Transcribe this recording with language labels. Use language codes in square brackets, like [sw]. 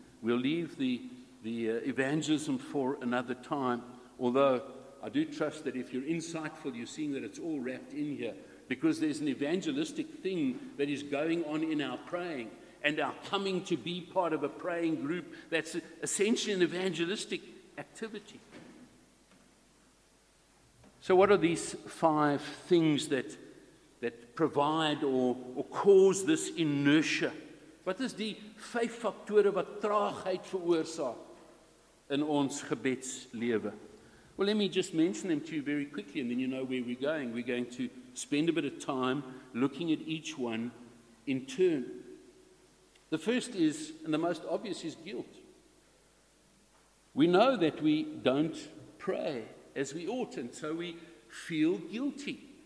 [en] We'll leave the evangelism for another time, although I do trust that if you're insightful, you're seeing that it's all wrapped in here, because there's an evangelistic thing that is going on in our praying and our coming to be part of a praying group that's essentially an evangelistic activity. So what are these five things that provide or cause this inertia? [af] Wat is die vyf faktore wat traagheid veroorsaak in ons gebedslewe? [en] Well, let me just mention them to you very quickly, and then you know where we're going. We're going to spend a bit of time looking at each one in turn. The first is, and the most obvious, is guilt. We know that we don't pray as we ought, and so we feel guilty.